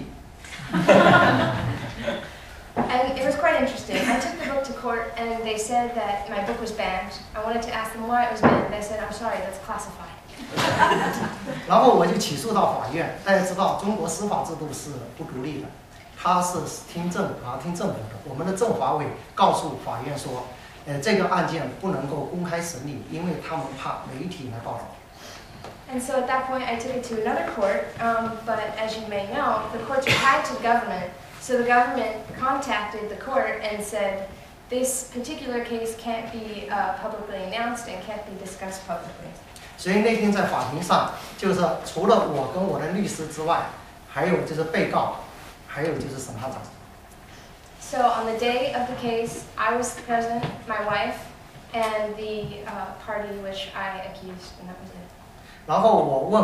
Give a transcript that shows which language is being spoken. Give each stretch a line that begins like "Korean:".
Chinese: 我向法院提出了起诉，因为最初他们是告诉我说这本书是禁书，然后我问他们说，禁书的理由是什么？他们回答我是国家机密。
English: And it was quite interesting. I took the book to court, and they said that my book was banned. I wanted to ask them why it was banned. They said, I'm sorry, that's classified.
Chinese: 然后我就起诉到法院，大家知道中国司法制度是不独立的，它是听政府，我们的政法委告诉法院说，这个案件不能够公开审理，因为他们怕媒体来报道。
English: And so at that point, I took it to another court. But as you may know, the courts are tied to government. So the government contacted the court and said, this particular case can't be publicly announced and can't be discussed publicly.
Chinese: 所以那天在法庭上，就是除了我跟我的律师之外，还有就是被告，还有就是审判长。
English: So on the day of the case, I was present, my wife, and the party which I accused, and that was it.